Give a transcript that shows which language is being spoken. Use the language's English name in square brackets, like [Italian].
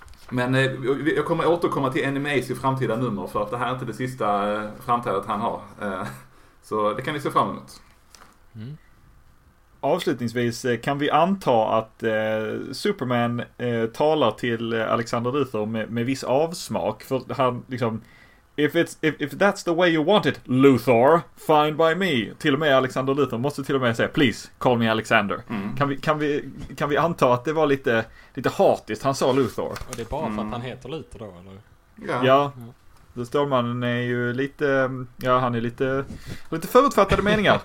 [Swedish] Men jag kommer återkomma till NMAs i framtida nummer, för att det här är inte det sista framträdandet han har. Så det kan vi se fram emot. Mm. Avslutningsvis, kan vi anta att Superman talar till Alexander Luthor med viss avsmak? För han liksom, [English] if that's the way you want it, Luthor, fine by me. [Swedish] Till och med Alexander Luthor måste till och med säga, [English] please, call me Alexander. [Swedish] Mm. Kan vi anta att det var lite hatiskt han sa Luthor? Och det är bara för att han heter Luthor då, eller? Ja. Ja. Ja. Stålmannen är ju lite, ja, han är lite förutfattade meningar.